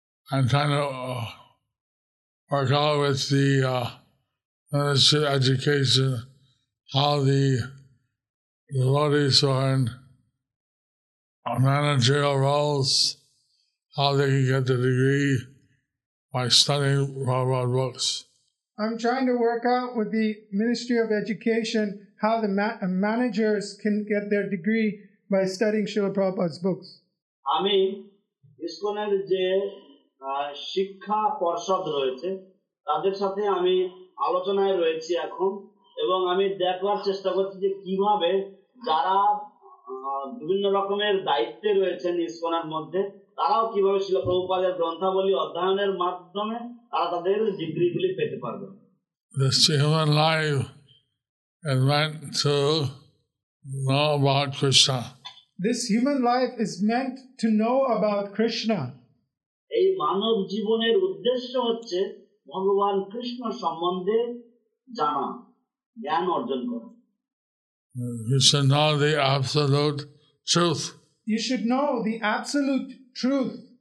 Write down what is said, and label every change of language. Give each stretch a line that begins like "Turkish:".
English: And kind of work out with the ministry of education, how the devotees are in managerial roles, how they can get the degree by studying Prabhupada's books. I'm trying to work out with the Ministry of Education how the managers can get their degree by studying Srila Prabhupada's books.
Bangla: আমি ইসকনের যে শিক্ষা পর্ষদ রয়েছে তাদের সাথে আমি আলোচনায় রয়েছি এখন এবং আমি দেখার চেষ্টা করছি যে কিভাবে যারা বিভিন্ন রকমের দায়িত্বে রয়েছেন ইসকনের মধ্যে তারাও কিভাবে শিল প্রভুপাদের গ্রন্থাবলী অধ্যয়নের মাধ্যমে তারা তাদের ডিগ্রি গুলি পেতে পারবে।
English: The human life is meant to know about Krishna. This human life is meant to know about Krishna.
Bangla: এই মানব জীবনের উদ্দেশ্য হচ্ছে ভগবান কৃষ্ণ সম্বন্ধে জানা, জ্ঞান অর্জন করা।
English: You should know the absolute truth. You should know the absolute truth.